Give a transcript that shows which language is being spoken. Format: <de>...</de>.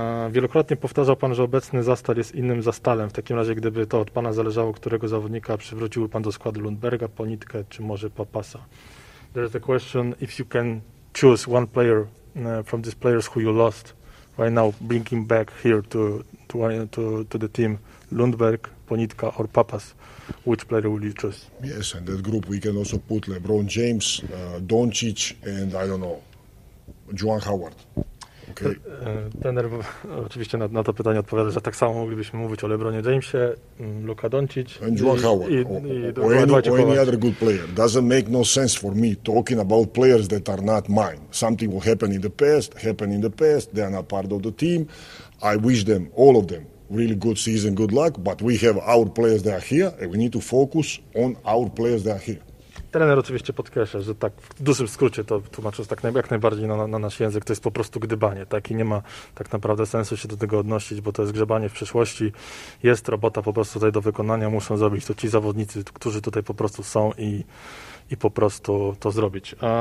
<pl>Wielokrotnie powtarzał pan, że obecny Zastal jest innym Zastalem. W takim razie, gdyby to od pana zależało, którego zawodnika przywróciłby pan do składu Lundberga, Ponitkę, czy może Papasa?</pl> <en>There's a question, if you can choose one player from these players who you lost right now, bring him back here to the team, Lundberg, Ponitka or Papas, which player will you choose? Yes, in that group we can also put LeBron James, Doncic and I don't know, Juan Howard. Okay.</en> <pl>Tener oczywiście na to pytanie odpowiada, że tak samo moglibyśmy mówić o LeBronie Jamesie, Luka Doncic</pl> <en>and Juan Howard, or any other good player. Doesn't make no sense for me talking about players that are not mine. Something will happen in the past, they are not part of the team. I wish them, all of them, really good season, good luck, but we have our players that are here and we need to focus on our players that are here.</en> <pl>Trener oczywiście podkreśla, że tak w dużym skrócie to tłumacząc tak jak najbardziej na nasz język, to jest po prostu gdybanie, tak? I nie ma tak naprawdę sensu się do tego odnosić, bo to jest grzebanie w przyszłości. Jest robota po prostu tutaj do wykonania, muszą zrobić to ci zawodnicy, którzy tutaj po prostu są i po prostu to zrobić.</pl>